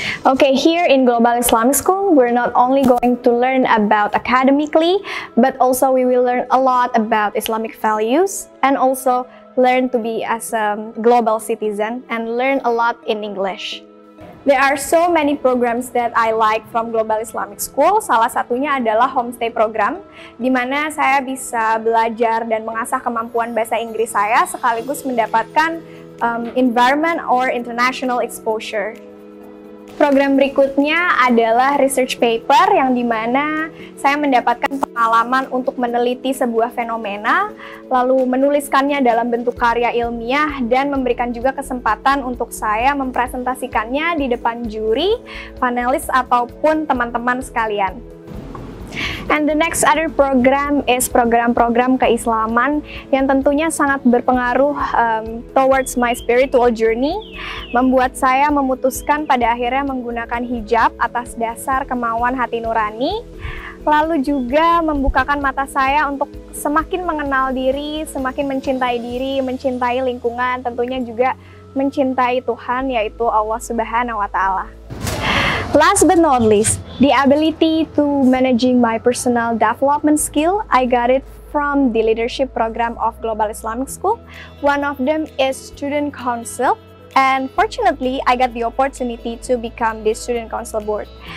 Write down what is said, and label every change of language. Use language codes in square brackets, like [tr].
[en] Okay, here in Global Islamic School, we're not only going to learn about academically, but also we will learn a lot about Islamic values and also learn to be as a global citizen and learn a lot in English. There are so many programs that I like from Global Islamic School. [id] Salah satunya adalah homestay program, di mana saya bisa belajar dan mengasah kemampuan bahasa Inggris saya sekaligus mendapatkan [en] environment or international exposure. [id] Program berikutnya adalah research paper, yang dimana saya mendapatkan pengalaman untuk meneliti sebuah fenomena, lalu menuliskannya dalam bentuk karya ilmiah, dan memberikan juga kesempatan untuk saya mempresentasikannya di depan juri, panelis, ataupun teman-teman sekalian. [en] And the next other program is [id] program-program keislaman yang tentunya sangat berpengaruh [en] towards my spiritual journey, [id] membuat saya memutuskan pada akhirnya menggunakan hijab atas dasar kemauan hati nurani, lalu juga membukakan mata saya untuk semakin mengenal diri, semakin mencintai diri, mencintai lingkungan, tentunya juga mencintai Tuhan, yaitu Allah Subhanahu wa Ta'ala. [en] Last but not least, the ability to managing my personal development skill, I got it from the leadership program of Global Islamic School. One of them is Student Council, and fortunately, I got the opportunity to become the Student Council Board.